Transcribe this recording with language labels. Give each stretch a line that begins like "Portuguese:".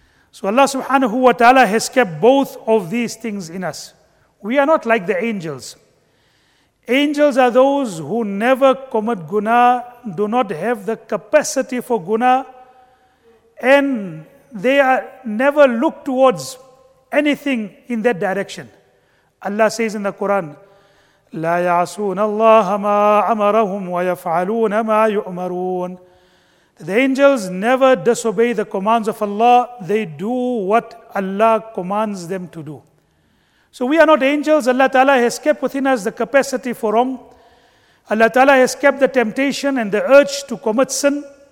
English: So Allah subhanahu wa ta'ala has kept both of these things in us. We are not like the angels. Angels are those who never commit guna, do not have the capacity for guna, and they are never look towards anything in that direction. Allah says in the Quran,
Arabic: لا يعصون الله ما أمرهم ويفعلون ما يؤمرون.
English: The angels never disobey the commands of Allah. They do what Allah commands them to do. So we are not angels. Allah Ta'ala has kept within us the capacity for wrong. Allah Ta'ala has kept the temptation and the urge to commit sin.